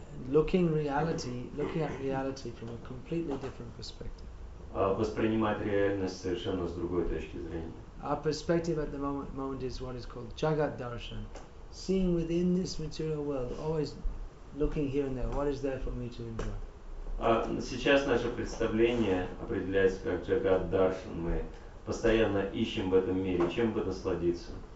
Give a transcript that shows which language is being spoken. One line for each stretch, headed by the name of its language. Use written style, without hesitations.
English: Looking at reality from a completely different perspective.
Russian: Воспринимать реальность совершенно с другой точки зрения.
English: Our perspective at the moment is what is called Jagat Darshan. Seeing within this material world, always looking here and there, what is there for me to enjoy?
Russian: Сейчас наше представление определяется как Jagat Darshan. Мы постоянно ищем в этом мире, чем бы насладиться.